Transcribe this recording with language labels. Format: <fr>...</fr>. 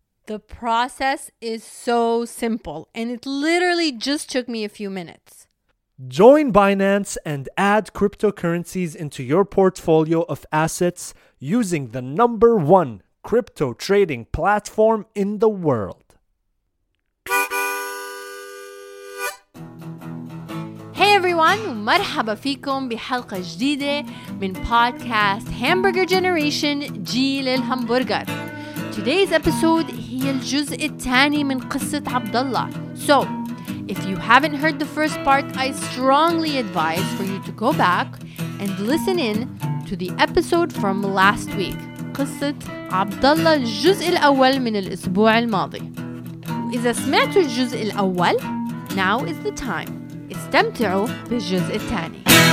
<en>The process is so simple and it literally just took me a few minutes. Join Binance and add cryptocurrencies into your portfolio of assets using the number one crypto trading platform in the world. Hey everyone,</en> <ar>مرحبا فيكم بحلقة جديدة من podcast Hamburger Generation جيل الهمبرجر.</ar> <en>Today's episode</en> <ar>هي الجزء الثاني من قصة عبد الله.</ar> <en>So, if you haven't heard the first part, I strongly advise for you to go back and listen in to the episode from last week.</en> <ar>قصة عبد الله الجزء الأول من الأسبوع الماضي. إذا سمعتوا الجزء الأول,</ar> <en>now is the time.</en> <ar>استمتعوا بالجزء الثاني.</ar>